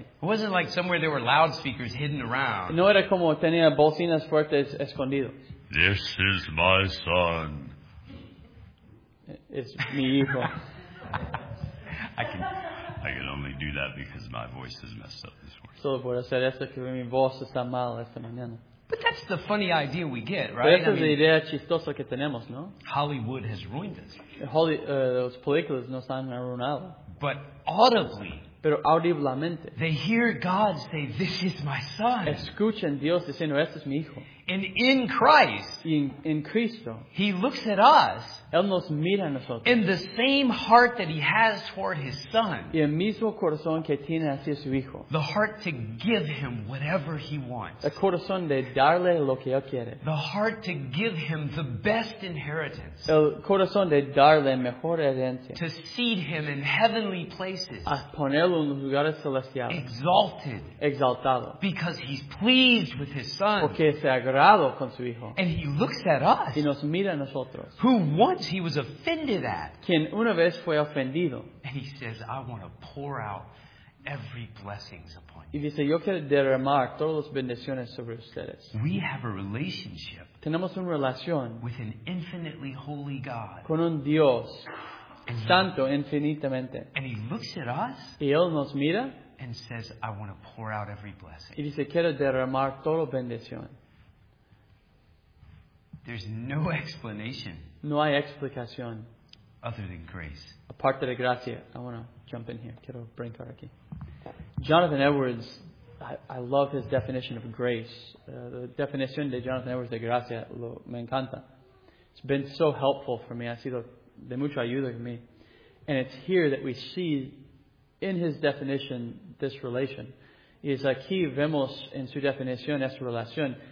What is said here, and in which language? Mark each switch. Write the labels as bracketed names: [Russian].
[English] It wasn't like somewhere there were loudspeakers hidden around. [Spanish] No era como tenía bocinas fuertes escondidos. [English] This is my son. [Spanish] Es mi hijo. [English] I can only do that because my voice is messed up this morning. [Spanish] Solo puedo hacer esto porque mi voz está mal esta mañana. [English] But that's the funny idea we get, right? [Spanish] Pero esa es la idea chistosa que tenemos, ¿no? [English] Hollywood has ruined us. [Spanish] Las películas nos han arruinado. [English] But audibly, [Spanish] pero audiblemente, [English] they hear God say, "This is my son." [Spanish] Escuchan Dios diciendo, "Este es mi hijo." [English] And in Christ, [Spanish] in Cristo, [English] he looks at us, [Spanish] él nos mira a nosotros, [English] in the same heart that he has toward his son, [Spanish] y el mismo corazón que tiene hacia su hijo, [English] the heart to give him whatever he wants, [Spanish] el corazón de darle lo que él quiere, [English] the heart to give him the best inheritance, [Spanish] el corazón de darle mejor herencia, [English] to seed him in heavenly places, [Spanish] a ponerlo en los lugares celestiales, [English] exalted, [Spanish] exaltado, [English] because he's pleased with his son, [Spanish] porque se agrado con su hijo, [English] and he looks at us, [Spanish] y nos mira a nosotros, [English] who once he was offended at, [Spanish] quien una vez fue ofendido, [English] and he says, I want to pour out every blessing upon you. [Spanish] Y dice, yo quiero derramar todas las bendiciones sobre ustedes. [English] We have a relationship, [Spanish] tenemos una relación, [English] with an infinitely holy God, [Spanish] con un Dios santo infinitamente, [English] and he looks at us, [Spanish] y él nos mira, [English] and says, I want to pour out every blessing. [Spanish] Y dice, quiero derramar toda bendición. [English] There's no explanation. [Spanish] No hay explicación. [English] Other than grace. [Spanish] Aparte de gracia. [English] I want to jump in here. [Spanish] Quiero brincar aquí. [English] Jonathan Edwards, I love his definition of grace. The definition [Spanish] de Jonathan Edwards de gracia, me encanta. [English] It's been so helpful for me. [Spanish] Ha sido de mucha ayuda [English] for me. And it's here that we see, in his definition, this relation. [Spanish] Es aquí vemos en su definición esta relación.